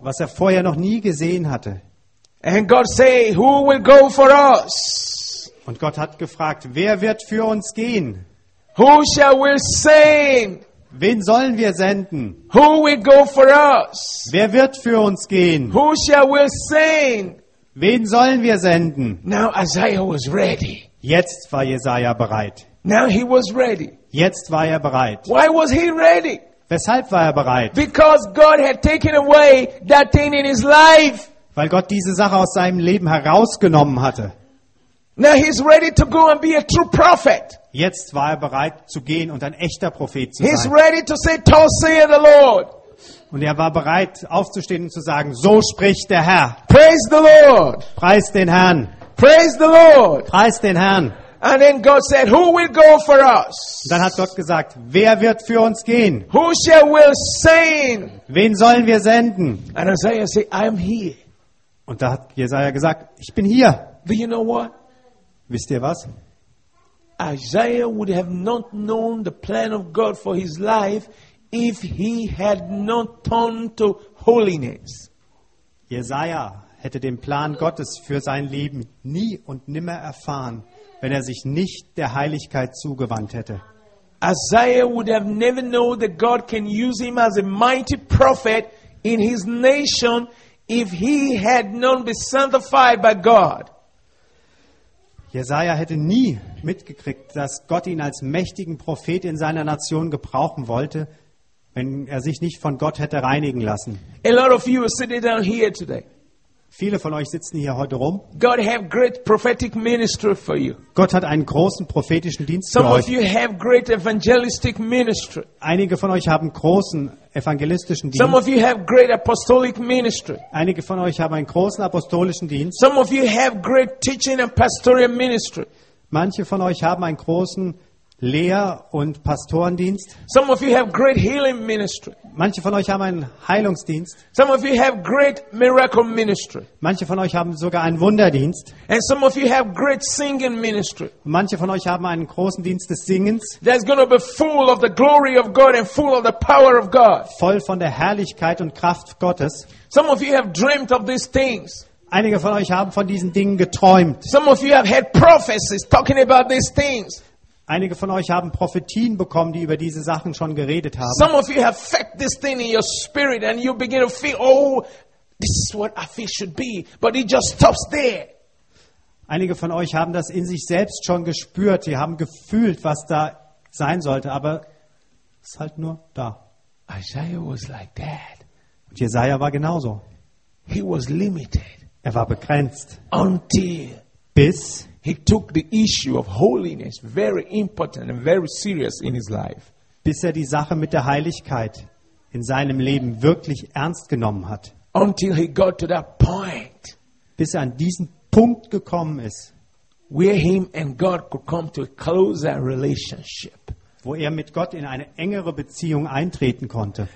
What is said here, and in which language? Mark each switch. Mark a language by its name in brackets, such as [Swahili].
[German] was er vorher noch nie gesehen hatte. [English] And God say, who will go for us? [German] Und Gott hat gefragt, wer wird für uns gehen? [English] Who shall we send? [German] Wen sollen wir senden? [English] Who will go for us? [German] Wer wird für uns gehen? [English] Who shall we send? [German] Wen sollen wir senden? [English] Now Isaiah was ready. [German] Jetzt war Jesaja bereit. [English] Now he was ready. [German] Jetzt war er bereit. [English] Why was he ready? [German] Weshalb war er bereit? [English] Because God had taken away that thing in his life. [German] Weil Gott diese Sache aus seinem Leben herausgenommen hatte. [English] Now he's ready to go and be a true prophet. [German] Jetzt war er bereit zu gehen und ein echter Prophet zu sein. [English] He's ready to say, "Thus saith the Lord." [German] Und er war bereit aufzustehen und zu sagen, so spricht der Herr. [English] Praise the Lord. [German] Preist den Herrn. [English] Praise the Lord. [German] Preist den Herrn. [English] And then God said, "Who will go for us?" [German] Dann hat Gott gesagt, wer wird für uns gehen? [English] Who shall we send? [German] Wen sollen wir senden? [English] And Isaiah said, "I'm here." [German] Und da hat Jesaja gesagt, ich bin hier. [English] Do you know what? [German] Wisst ihr was? [English] Isaiah would have not known the plan of God for his life if he had not turned to holiness. [German] Jesaja hätte den Plan Gottes für sein Leben nie und nimmer erfahren, wenn er sich nicht der Heiligkeit zugewandt hätte. [English] Isaiah would have never known that God can use him as a mighty prophet in his nation if he had not been sanctified by God. [German] Jesaja hätte nie mitgekriegt, dass Gott ihn als mächtigen Prophet in seiner Nation gebrauchen wollte, wenn er sich nicht von Gott hätte reinigen lassen. [English] A lot of you are sitting down here today. [German] Viele von euch sitzen hier heute rum. [English] God have great prophetic ministry for you. [German] Gott hat einen großen prophetischen Dienst [English] Some [German] für euch. [English] Some of you have great evangelistic ministry. [German] Einige von euch haben großen evangelistischen Dienst. [English] Some of you have great apostolic ministry. [German] Einige von euch haben einen großen apostolischen Dienst. [English] Some of you have great teaching and pastoral ministry. [German] Manche von euch haben einen großen Lehr- und Pastorendienst. [English] Some of you have great healing ministry. [German] Manche von euch haben einen Heilungsdienst. [English] Some of you have great miracle ministry. [German] Manche von euch haben sogar einen Wunderdienst. [English] And some of you have great singing ministry. [German] Manche von euch haben einen großen Dienst des Singens. [English] That's going to be full of the glory of God and full of the power of God. [German] Voll von der Herrlichkeit und Kraft Gottes. [English] Some of you have dreamt of these things. [German] Einige von euch haben von diesen Dingen geträumt. [English] Some of you have had prophecies talking about these things. [German] Einige von euch haben Prophetien bekommen, die über diese Sachen schon geredet haben. [English] Some of you have felt this thing in your spirit and you begin to feel, oh, this is what I feel should be, but it just stops there. [German] Einige von euch haben das in sich selbst schon gespürt, sie haben gefühlt, was da sein sollte, aber es ist halt nur da. [English] Isaiah was like that. [German] Und Jesaja war genauso. [English] He was limited. [German] Er war begrenzt. [English] Until [German] bis [English] he took the issue of holiness very important and very serious in his life. [German] Bis er die Sache mit der Heiligkeit in seinem Leben wirklich ernst genommen hat. [English] Until he got to that point. [German] Bis er an diesen Punkt gekommen ist. [English] Where him and God could come to a closer relationship. [German] Wo er mit Gott in eine engere Beziehung eintreten konnte.